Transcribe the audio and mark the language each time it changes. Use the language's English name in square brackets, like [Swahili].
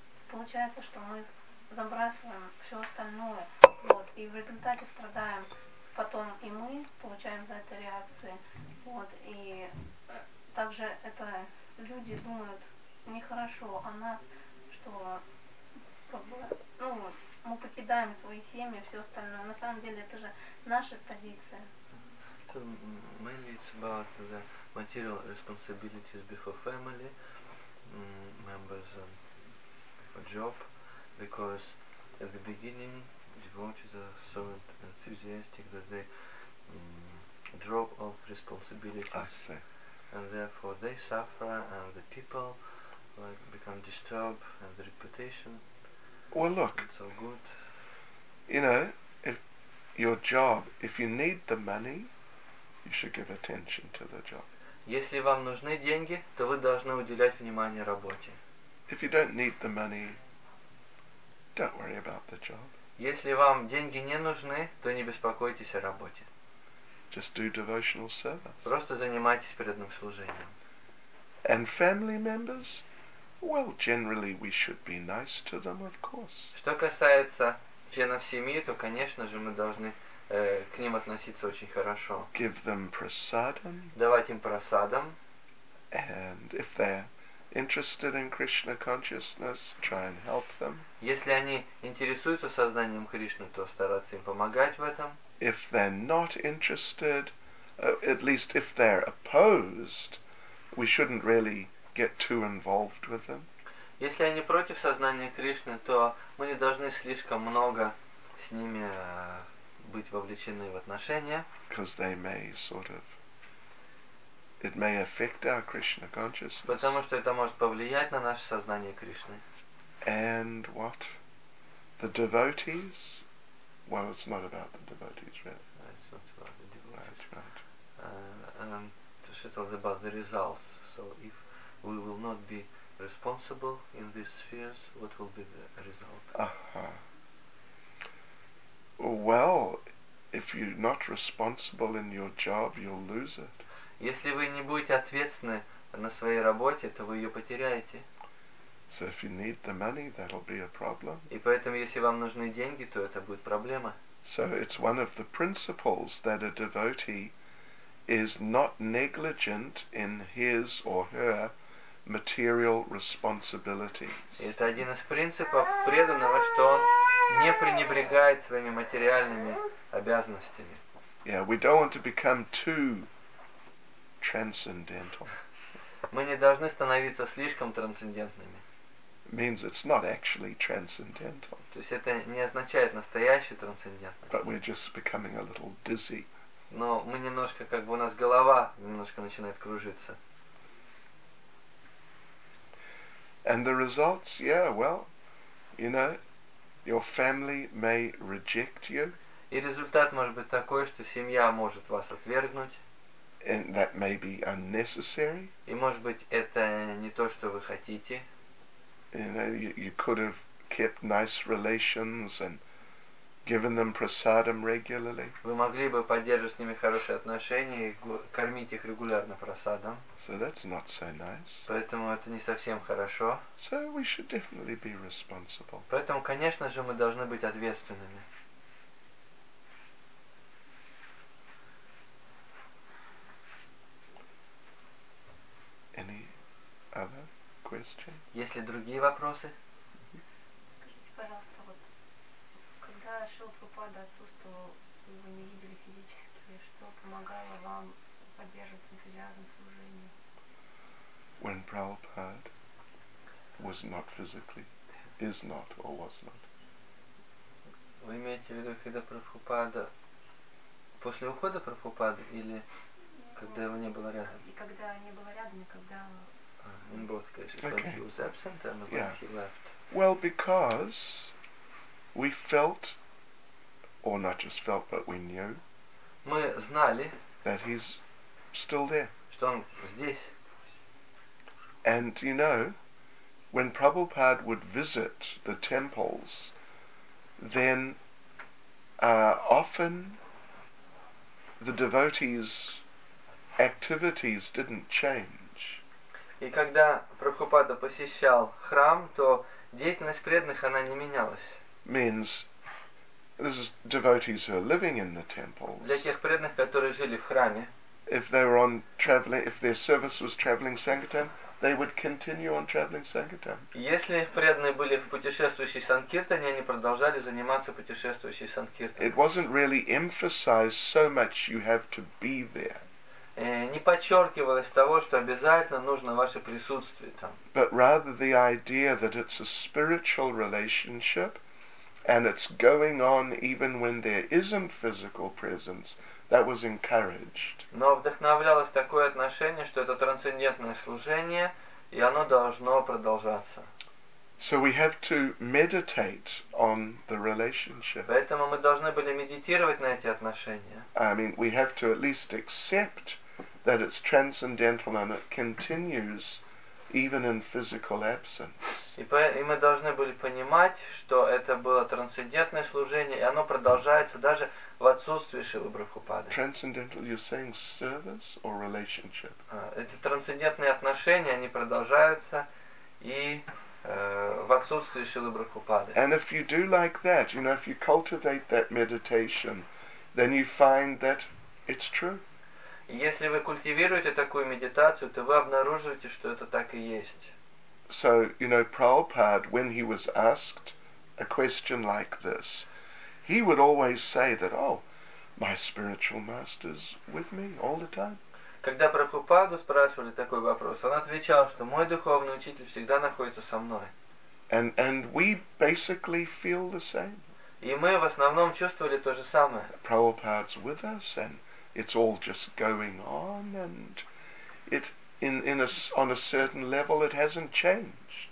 [Russian] получается, что мы забрасываем все остальное, вот, и в результате страдаем потом, и мы получаем за это реакции, вот, и также это люди думают нехорошо о нас, что... Как бы, ну, мы покидаем свои семьи, все остальное. На самом деле это же наша позиция. [English] So mainly it's about the material responsibilities before family, members and for job, because at the beginning devotees are so enthusiastic that they drop off responsibilities. I see. And therefore they suffer and the people like become disturbed and the reputation. Well, look, so good. You know, if your job, if you need the money, you should give attention to the job. [Russian] Если вам нужны деньги, то вы должны уделять внимание работе. [English] If you don't need the money, don't worry about the job. [Russian] Если вам деньги не нужны, то не беспокойтесь о работе. [English] Just do devotional service. [Russian] Просто занимайтесь преданным служением. [English] And family members? Well, generally we should be nice to them, of course. [Russian] Что касается членов семьи, то, конечно же, мы должны к ним относиться очень хорошо. [English] Give them prasadam. [Russian] Давать им прасадам. [English] And if they're interested in Krishna consciousness, try and help them. [Russian] Если они интересуются сознанием Кришны, то стараться им помогать в этом. [English] If they're not interested, at least if they're opposed, we shouldn't really get too involved with them. [Russian] Если они против сознания Кришны, то мы не должны слишком много с ними быть вовлечены в отношения. [English] Because they may sort of, it may affect our Krishna consciousness. [Russian] Потому что это может повлиять на наше сознание Кришны. [English] And what? The devotees? Well, it's not about the devotees, really. It's not about the devotees. That's right. And it's about the results. So if we will not be responsible in these spheres, what will be the result? Uh-huh. Well, if you're not responsible in your job, you'll lose it. [Russian] Если вы не будете ответственны на своей работе, то вы ее потеряете. [English] So if you need the money, that'll be a problem. [Russian] И поэтому, если вам нужны деньги, то это будет проблема. [English] So it's one of the principles that a devotee is not negligent in his or her material responsibilities. [Russian] Это один из принципов преданного, что он не пренебрегает своими материальными обязанностями. [English] Yeah, we don't want to become too transcendental. [Russian] Мы не должны становиться слишком трансцендентными. [English] Means it's not actually transcendental. [Russian] То есть это не означает настоящий трансцендентный. [English] But we're just becoming a little dizzy. [Russian] Но мы немножко, как бы у нас голова немножко начинает кружиться. [English] And the results, yeah, well, you know, your family may reject you. [Russian] И результат может быть такой, что семья может вас отвергнуть. [English] And that may be unnecessary. [Russian] И может быть это не то, что вы хотите. [English] You know, you could have kept nice relations and given them prasadam regularly. [Russian] Вы могли бы поддерживать с ними хорошие отношения и кормить их регулярно прасадам. [English] So that's not so nice. [Russian] Поэтому это не совсем хорошо. [English] So we should definitely be responsible. [Russian] Поэтому, конечно же, мы должны быть ответственными. [English] Any other question? [Russian] Есть ли другие вопросы? Скажите, пожалуйста, вот когда Шрила Прабхупада отсутствовал, вы не видели физически, что помогало вам поддерживать энтузиазм служения? [English] When Prabhupada was not physically, is not or was not. [Russian] Вы имеете в виду, когда Прабхупада после ухода Прабхупады или когда его не было рядом? И когда не было рядом, и когда [English] In both cases, when he was absent and when he left. Well, because we felt, or not just felt, but we knew. [Russian] Мы знали. [English] That he's still there. [Russian] Что он здесь. [English] And you know, when Prabhupada would visit the temples, then often the devotees' activities didn't change. [Russian] И когда Прабхупада посещал храм, то деятельность преданных она не менялась. [English] Means this is devotees who are living in the temples. [Russian] Для тех преданных, которые жили в храме. [English] If they were on traveling, if their service was traveling sankirtan. They would continue on traveling sankirtan. [Russian] Если преданные были в путешествующей санкиртане, они продолжали заниматься путешествующей санкиртаной. [English] It wasn't really emphasized so much you have to be there. [Russian] Не подчеркивалось того, что обязательно нужно ваше присутствие там. [English] But rather the idea that it's a spiritual relationship and it's going on even when there isn't physical presence. That was encouraged. [Russian] Но вдохновлялось такое отношение, что это трансцендентное служение, и оно должно продолжаться. [English] So we have to meditate on the relationship. [Russian] Поэтому мы должны были медитировать на эти отношения. [English] I mean, we have to at least accept that it's transcendental and it continues even in physical absence. [Russian] И мы должны были понимать, что это было трансцендентное служение, и оно продолжается даже в отсутствии Шрилы Прабхупады. [English] Transcendental, you're saying service or relationship? [Russian] Это трансцендентные отношения, они продолжаются и в отсутствии Шрилы Прабхупады. [English] And if you do like that, you know, if you cultivate that meditation, then you find that it's true. [Russian] Если вы культивируете такую медитацию, то вы обнаруживаете, что это так и есть. [English] So, you know, Prabhupada, when he was asked a question like this, he would always say that, oh, my spiritual master's with me all the time. [Russian] Когда Прабхупаду спрашивали такой вопрос, он отвечал, что мой духовный учитель всегда находится со мной. [English] And we basically feel the same. [Russian] И мы в основном чувствовали то же самое. [English] Prabhupada's with us and it's all just going on, and it on a certain level it hasn't changed.